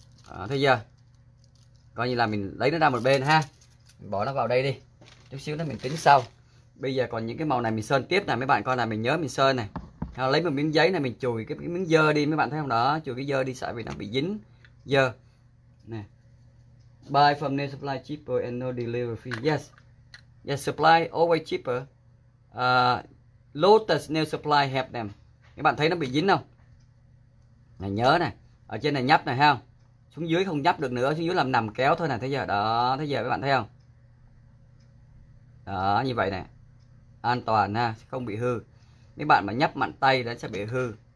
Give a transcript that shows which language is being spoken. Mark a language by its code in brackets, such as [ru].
[vi] Đó, thấy chưa? Coi như là mình lấy nó ra một bên ha, mình bỏ nó vào đây đi. Chút xíu nữa mình tính sau. Bây giờ còn những cái màu này mình sơn tiếp nè, mấy bạn coi là mình nhớ mình sơn này. Lấy một miếng giấy này mình chùi cái miếng dơ đi, mấy bạn thấy không đó, chùi cái dơ đi sợ vì nó bị dính dơ. Nè. [en] Buy from nail supply cheaper and no delivery fee. Yes. Yes, supply always cheaper. Lotus nail supply have them. [vi] Các bạn thấy nó bị dính không? Này nhớ này, ở trên này nhấp này ha. xuống dưới không nhấp được nữa, xuống dưới làm nằm kéo thôi nè. Thấy giờ đó, thấy giờ các bạn thấy không? Đó, như vậy nè, an toàn ha, không bị hư. Nếu bạn mà nhấp mạnh tay nó sẽ bị hư.